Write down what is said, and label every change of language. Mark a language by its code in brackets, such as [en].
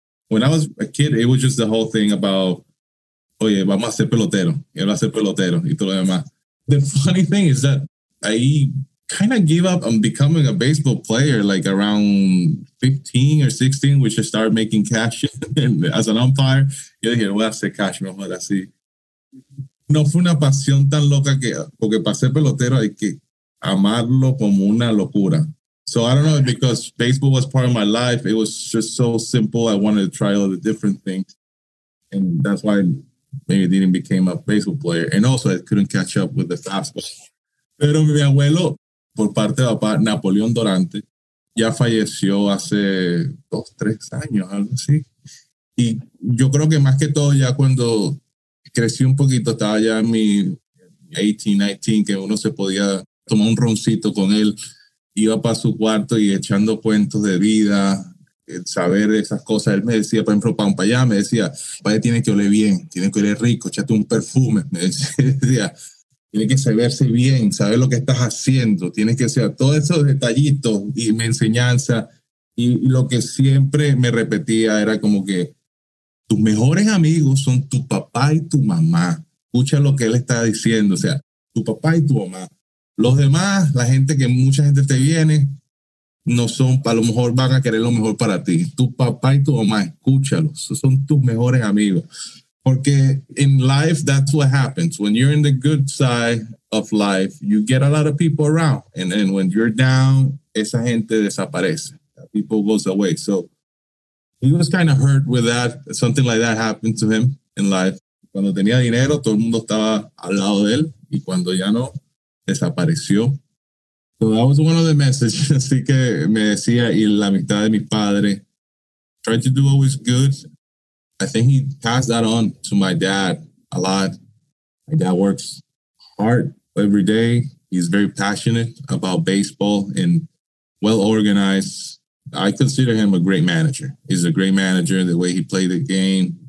[en] When I was a kid, it was just the whole thing about, [es] oye, vamos a ser pelotero. Y vamos a ser pelotero. Y todo lo demás. [en] The funny thing is that I kind of gave up on becoming a baseball player like around 15 or 16, which I started making cash as an umpire. [es] Yo dije, voy a hacer cash mejor así. No fue una pasión tan loca que, porque para ser pelotero hay que amarlo como una locura. [en] So I don't know, because baseball was part of my life. It was just so simple. I wanted to try all the different things. And that's why maybe I didn't become a baseball player. And also I couldn't catch up with the fastball. [es] Pero mi abuelo, por parte de papá, Napoleón Dorante, ya falleció hace 2-3 años, algo así. Y yo creo que más que todo ya cuando crecí un poquito, estaba ya en mi 18, 19, que uno se podía tomar un roncito con él. Iba para su cuarto y echando cuentos de vida, saber esas cosas. Él me decía, por ejemplo, para un payá, me decía, payá tiene que oler bien, tiene que oler rico, échate un perfume. Me decía, tiene que saberse bien, saber lo que estás haciendo, tiene que ser todos esos detallitos y mi enseñanza. Y lo que siempre me repetía era como que tus mejores amigos son tu papá y tu mamá. Escucha lo que él está diciendo, o sea, tu papá y tu mamá. Los demás, la gente que mucha gente te viene, no son, a lo mejor van a querer lo mejor para ti. Tu papá y tu mamá, escúchalos, son tus mejores amigos. Porque [en] in life, that's what happens. When you're in the good side of life, you get a lot of people around. And then when you're down, [es] esa gente desaparece. [en] People goes away. So he was kind of hurt with that. Something like that happened to him in life. [es] Cuando tenía dinero, todo el mundo estaba al lado de él. Y cuando ya no, desapareció. [en] So that was one of the messages. [es] Así que me decía, y la mitad de mi padre, [en] try to do always good. I think he passed that on to my dad a lot. My dad works hard every day. He's very passionate about baseball and well-organized. I consider him a great manager. He's a great manager, the way he played the game.